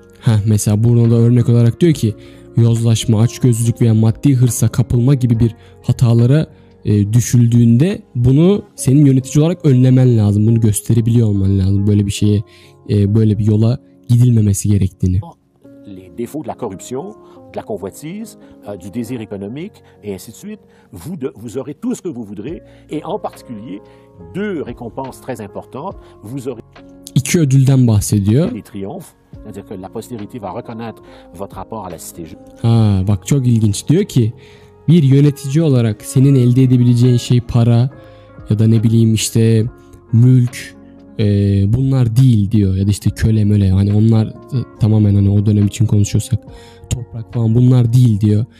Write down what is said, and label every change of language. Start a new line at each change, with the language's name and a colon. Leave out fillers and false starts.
Turkish: Ha, mesela burada da örnek olarak diyor ki yozlaşma, açgözlülük veya maddi hırsa kapılma gibi bir hatalara düşüldüğünde bunu senin yönetici olarak önlemen lazım. Bunu gösterebiliyor olman lazım. Böyle bir şeye, böyle bir yola gidilmemesi gerektiğini.
French: Les défauts de la corruption, de la convoitise, du désir économique et ainsi de suite, vous aurez tout ce que vous voudrez et en particulier deux récompenses très importantes, vous aurez.
Turkish: İki ödülden bahsediyor.
French: Les triomphes, c'est-à-dire que la postérité va reconnaître votre apport à la cité.
Turkish: Ah, bak çok ilginç. Diyor ki bir yönetici olarak senin elde edebileceğin şey para ya da ne bileyim işte mülk. Bunlar değil diyor, ya da işte köle möle, hani onlar tamamen, hani o dönem için konuşuyorsak toprak falan, bunlar değil diyor.